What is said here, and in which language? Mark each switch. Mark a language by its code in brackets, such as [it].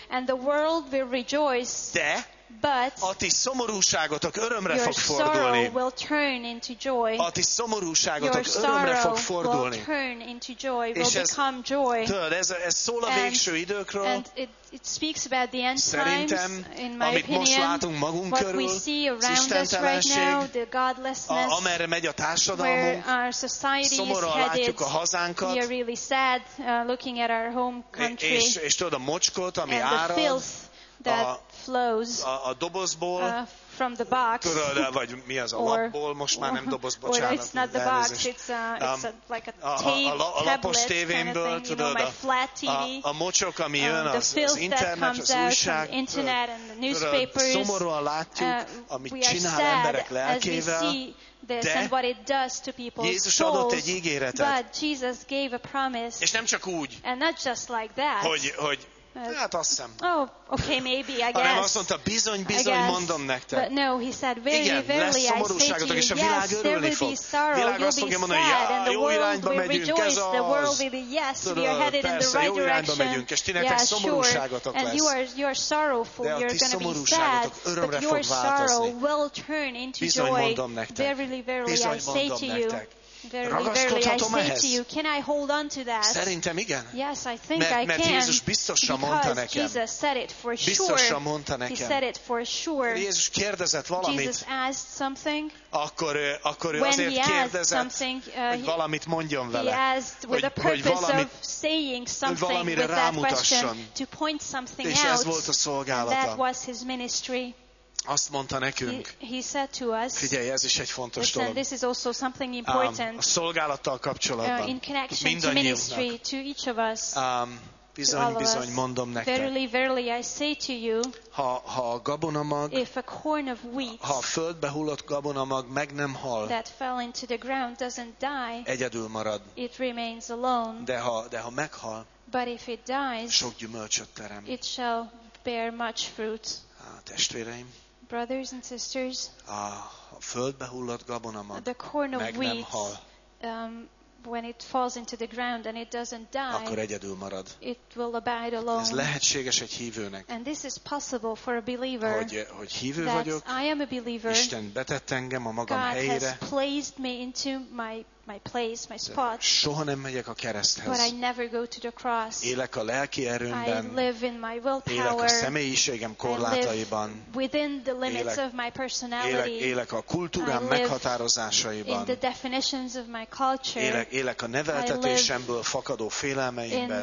[en] and the world will rejoice, [hu] de [en] but [hu] a ti szomorúságotok örömre [en] your [hu] fog fordulni. [en] Sorrow will turn into joy. [hu] A ti szomorúságotok örömre fog fordulni. [en] Will turn into joy, will become joy. [hu] Tudod, ez szól a végső időkről. [en] And it speaks about the end times, in my [hu] amit [en] opinion, [hu] most látunk magunk [en] what [hu] körül, [en] we see around us right now, the godlessness, [hu] amerre megy a társadalmunk, [en] where our society is headed, [hu] a hazánkat, [en] we are really sad looking at our home country, [hu] és tudod, a mocskot, ami árad, [en] the filth that flows [hu] a dobozból, [en] from the box, [hu] tudod, vagy mi az, a lapból, most már nem doboz, bocsánat. [en] Or it's not the box, it's like a tape, [hu] a lapos tévémből, [en] kind of thing, you know, my flat TV. [hu] A mocsok, ami jön az internet, az újság, szomorúan látjuk, amit csinál emberek lelkével. [en] This and what it does to people's [hu] Jézus [en] souls, [hu] adott egy ígéretet. [en] But Jesus gave a promise, [hu] és nem csak úgy, [en] and not just like that, [hu] hogy hát azt hiszem. [en] Oh, okay, maybe, I guess. [hu] Hanem azt mondta, bizony, mondom nektek. [en] But no, he said, very, very, [hu] igen, lesz szomorúságotok, és a világ örülni fog. [en] Yes, there will be sorrow, you'll be sad, and the world will rejoice, the world will be, yes, we are headed in the right direction. [hu] És ti nektek szomorúságotok lesz. [en] And you are sorrowful, you're going to be sad, but your sorrow will turn into joy. [hu] Bizony mondom nektek. [en] Verily, verily, I say to you. Verily, verily, I say to you, can I hold on to that? [hu] Szerintem igen. [en] Yes, I think I can. [hu] Mert Jézus biztosan mondta nekem. [en] Jesus said it for sure. [hu] Biztosan mondta nekem. [en] He said it for sure. [hu] Jézus kérdezett valamit. [en] Jesus asked something. [hu] Akkor ő azért kérdezett, hogy valamit mondjon vele. [en] He asked with a purpose of saying something with that question. To point something out. [hu] És ez volt a szolgálata. [en] That was his ministry. [hu] Azt mondta nekünk. [en] He said to us, [hu] figyelj, ez is egy fontos [en] listen, [hu] dolog. [en] This is also something important. [hu] A szolgálattal kapcsolatban. [en] In connection to ministry to each of us. [hu] Bizony, mondom nektek. [en] Verily, verily, I say to you. [hu] Ha a gabonamag, [en] if a corn of wheat, [hu] ha a földbe hullott gabonamag meg nem hal, [en] that fell into the ground doesn't die. [hu] Egyedül marad. [en] It remains alone. [hu] De ha meghal, [en] but if it dies, [hu] sok gyümölcsöt terem. [en] It shall bear much fruit. [hu] Testvéreim, [en] brothers and sisters, [hu] a földbe hullott gabonamag, [en] the corn of [hu] meg [en] wheat, [hu] nem hal, [en] when it falls into the ground and it doesn't die, [hu] akkor egyedül marad. [en] It will abide alone. [hu] Ez lehetséges egy hívőnek. [en] And this is possible for a believer. [hu] Hogy hívő vagyok. [en] I am a believer. [hu] Isten betett engem a magam [en] God [hu] helyére. [en] God has placed me into my place, my spot. [hu] Soha nem megyek a kereszthez. [en] But I never go to the cross. [hu] Élek a lelki erőmben. [en] I live in my willpower. [hu] Élek a személyiségem korlátaiban. [en] I live within the limits of my personality. [hu] Élek a kultúrám meghatározásaiban. [en] In the definitions of my culture. [hu] Élek a neveltetésemből fakadó félelmeimben.